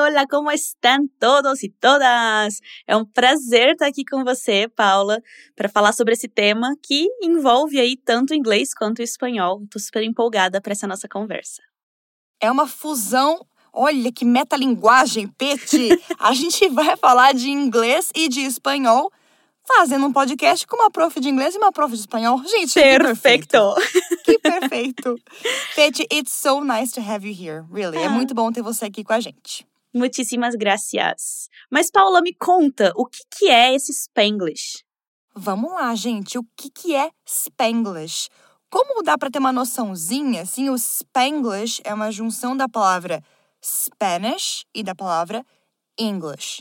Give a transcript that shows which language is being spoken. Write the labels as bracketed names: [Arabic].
[Portuguese] Olá, como estão todos e todas? É um prazer estar aqui com você, Paula, para falar sobre esse tema que envolve aí tanto o inglês quanto o espanhol. Estou super empolgada para essa nossa conversa. É uma fusão. Olha que metalinguagem, Peti! A gente vai falar de inglês e de espanhol fazendo um podcast com uma prof de inglês e uma prof de espanhol. Gente, perfeito! Que perfeito! Que perfeito. [English] Peti, it's so nice to have you here, really. [Portuguese] É muito bom ter você aqui com a gente. [Spanish] Muitíssimas gracias. [Portuguese] Mas, Paula, me conta, o que é esse Spanglish? Vamos lá, gente. O que é Spanglish? Como dá para ter uma noçãozinha, assim, o Spanglish é uma junção da palavra Spanish e da palavra English.